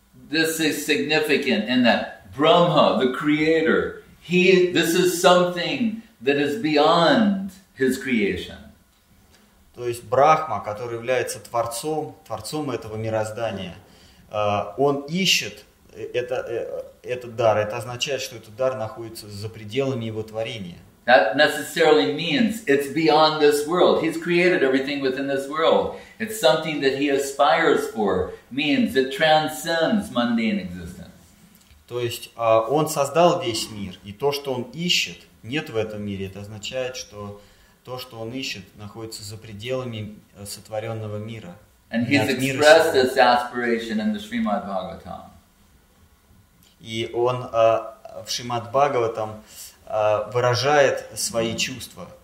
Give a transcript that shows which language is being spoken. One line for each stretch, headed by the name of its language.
English: This is significant in that Brahma, the creator, he, this is something that is beyond his creation.
Russian: То есть Брахма, который является творцом, творцом этого мироздания, он ищет этот дар. Это означает, что этот дар находится за пределами его творения.
English: That necessarily means it's beyond this world. He's created everything within this world. It's something that he aspires for, means it transcends mundane existence.
Russian: То есть он создал весь мир, и то, что он ищет, нет в этом мире. Это означает, что то, что он ищет, находится за пределами сотворенного мира.
English: And he's expressed this aspiration in the Srimad Bhagavatam.
Russian: И он в Шримад Бхагаватам выражает свои чувства.